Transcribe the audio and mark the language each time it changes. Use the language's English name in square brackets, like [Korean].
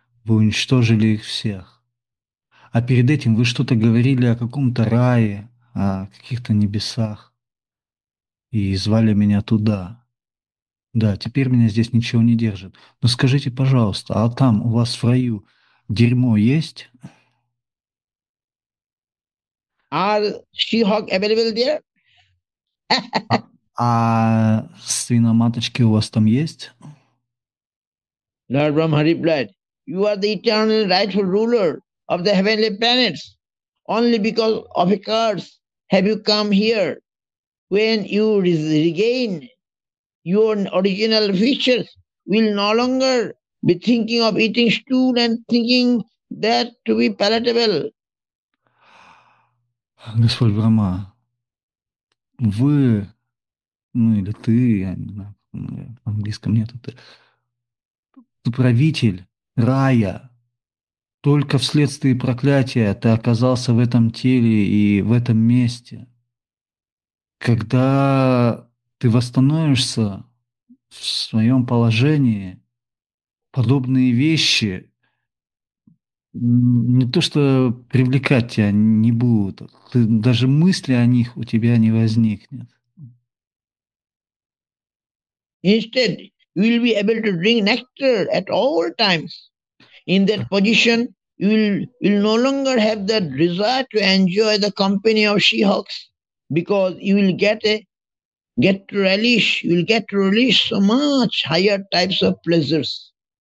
[Russian] Вы уничтожили их всех. А перед этим вы что-то говорили о каком-то рае, о каких-то небесах, и звали меня туда. Да, теперь меня здесь ничего не держит. Но скажите, пожалуйста, а там у вас в раю дерьмо есть? [English] Are she-hog available there? [Russian] А свиноматочки у вас там есть? [English] Lord Brahma replied, "You are the eternal rightful ruler of the heavenly planets. Only because of a curse have you come here. When you regain your original features, we'll no longer be thinking of eating stool and thinking that to be palatable." [Russian] Господь Брама, вы, ну или ты, я не знаю, в английском нету, ты правитель рая. Только вследствие проклятия ты оказался в этом теле и в этом месте. Когда ты восстановишься в своем положении, подобные вещи не то что привлекать тебя не будут, ты, даже мысли о них у тебя не возникнет. [English] Instead, you will be able to drink nectar at all times. In that position, you will no longer have that desire to enjoy the company of she-hawks, because you will get to relish so much higher types of pleasures.